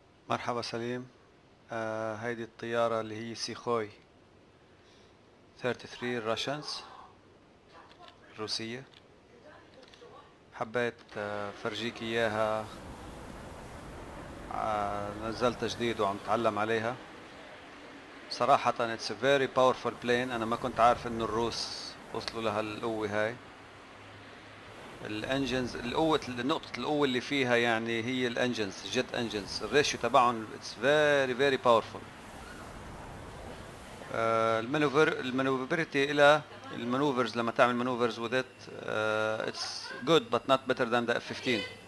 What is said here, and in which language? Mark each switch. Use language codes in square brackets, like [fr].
[ar] مرحبا سليم، هيدي الطيارة اللي هي سيخوي 33 راشنز الروسية. حبيت فرجيك إياها، نزلت جديد وعم تعلم عليها. [en] صراحة it's a very powerful plane. [ar] أنا ما كنت عارف إنه الروس وصلوا لها القوة هاي. الانجنز القوة، نقطة القوة اللي فيها يعني هي الانجنز، الجت انجنز، الريشيو تبعهم [en] It's very very powerful. المانوفرتي الى المانوفرز، [ar] لما تعمل [en] Manoeuvres with it it's good but not better than the F 15.